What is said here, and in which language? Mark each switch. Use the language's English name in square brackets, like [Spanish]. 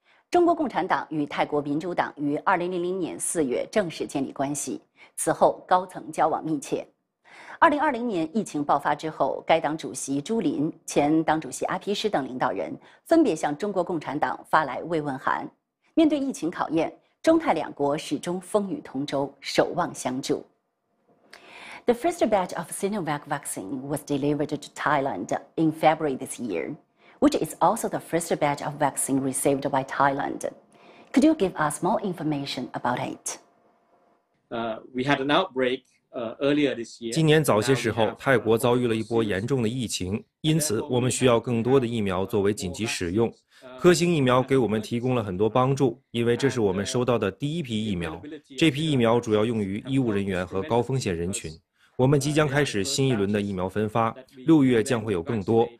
[Chinese] 中国共产党与泰国民主党于2000年4月正式建立关系，此后高层交往密切。 2020年疫情爆发之后，该党主席朱琳、前党主席阿皮什等领导人分别向中国共产党发来慰问函。面对疫情考验，中泰两国始终风雨同舟，守望相助。 [English] The first batch of Sinovac vaccine was delivered to Thailand in February this year, which is also the first batch of vaccine received by Thailand. Could you give us more information about it? We had an outbreak earlier this year. [Chinese] 今年早些时候，泰国遭遇了一波严重的疫情，因此我们需要更多的疫苗作为紧急使用。科兴疫苗给我们提供了很多帮助，因为这是我们收到的第一批疫苗。这批疫苗主要用于医务人员和高风险人群。我们即将开始新一轮的疫苗分发，6月将会有更多。